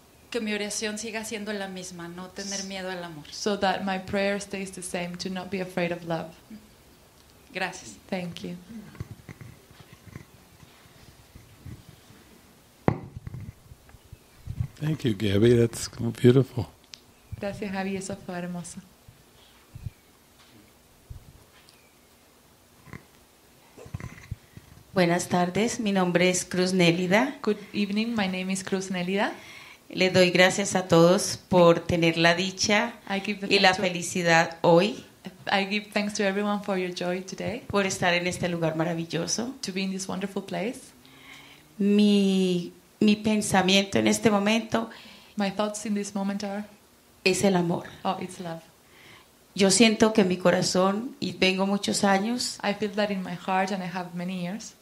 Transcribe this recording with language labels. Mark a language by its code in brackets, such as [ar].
[es] Que mi oración siga siendo la misma, no tener miedo al amor. [en] So that my prayer stays the same, to not be afraid of love. [es] Gracias. [en] Thank you. Thank you, Gabby. That's beautiful. [es] Gracias, Gabby. Eso fue hermoso. Buenas tardes. Mi nombre es Cruz Nélida. [en] Good evening. My name is Cruz Nélida. [es] Le doy gracias a todos por tener la dicha y la felicidad hoy. [en] I give thanks to everyone for your joy today. [es] Por estar en este lugar maravilloso. [en] To be in this wonderful place. [es] Mi pensamiento en este momento. [en] My thoughts in this moment are. [es] Es el amor. [en] Oh, it's love. [es] Yo siento que mi corazón y tengo muchos años. [en] I feel that in my heart and I have many years.